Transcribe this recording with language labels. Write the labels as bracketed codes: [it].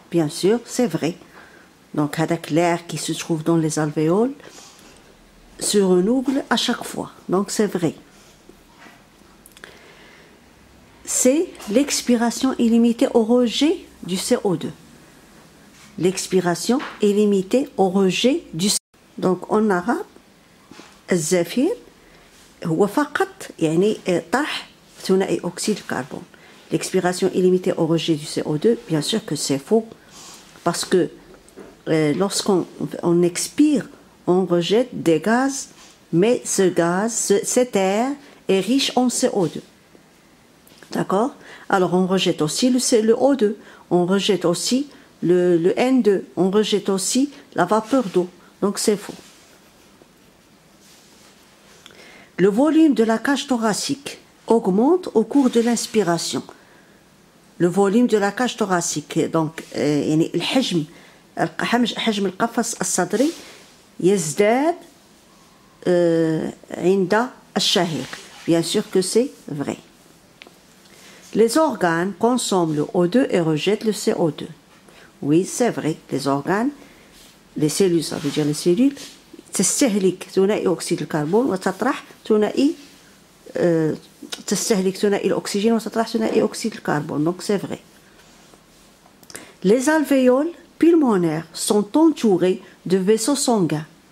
[fr] Bien sûr, c'est vrai. Donc, avec l'air qui se trouve dans les alvéoles se renouvelle à chaque fois. Donc, c'est vrai. C'est l'expiration illimitée au rejet du CO2. L'expiration est limitée au rejet du CO2. Donc, en arabe, [ar] الزفير هو فقط يعني طرح ثنائي أكسيد الكربون. [fr] L'expiration illimitée au rejet du CO2, bien sûr que c'est faux, parce que lorsqu'on expire, on rejette des gaz, mais ce gaz, cet air, est riche en CO2. D'accord? Alors, on rejette aussi le O2, on rejette aussi le N2, on rejette aussi la vapeur d'eau. Donc, c'est faux. Le volume de la cage thoracique augmente au cours de l'inspiration. Le volume de la cage thoracique, donc, le hajm, [ar] حجم القفص الصدري يزداد عند الشهيق. [fr] Bien sûr que c'est vrai. Les organes consomment le O2 et rejettent le CO2. Oui, c'est vrai. Les organes, les cellules, [ar] ça veut dire les cellules, تستهلك ثنائي أكسيد الكربون وتطرح ثنائي تستهلك ثنائي الأكسجين وتطرح ثنائي أكسيد الكربون. [fr] Donc c'est vrai. Les alvéoles pulmonaires sont entourés de vaisseaux sanguins.